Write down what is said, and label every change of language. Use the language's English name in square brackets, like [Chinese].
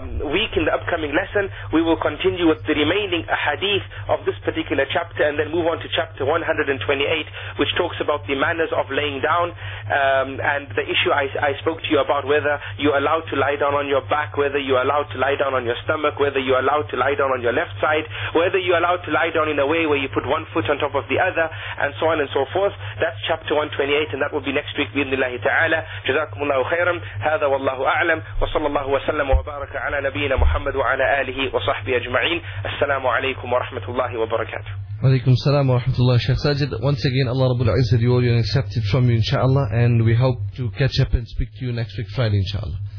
[English] week in the upcoming lesson, we will continue with the remaining ahadith of this particular chapter and then move on to chapter 128, which talks about the manners of laying down, and the issue I spoke to you about, whether you're allowed to lie down on your back, whether you're allowed to lie down on your stomach, whether you're allowed to lie down on your left side, whether you're allowed to lie down in a way where you put one foot on top of the other, and so on and so forth. That's chapter 128, and that will be next week, bi-idhnillahi ta'ala. [Arabic] جزاكم الله خيرا. هذا والله أعلم. وصلى الله وسلم وبارك على نبينا محمد وعلى آله وصحبه أجمعين. السلام عليكم ورحمة الله وبركاته. وعليكم السلام ورحمة الله. [English] Sheikh Sajid, once again, Allah Rabbul Izzah reward you and accept it from you, inshallah, and we hope to catch up and speak to you next week, Friday, inshallah.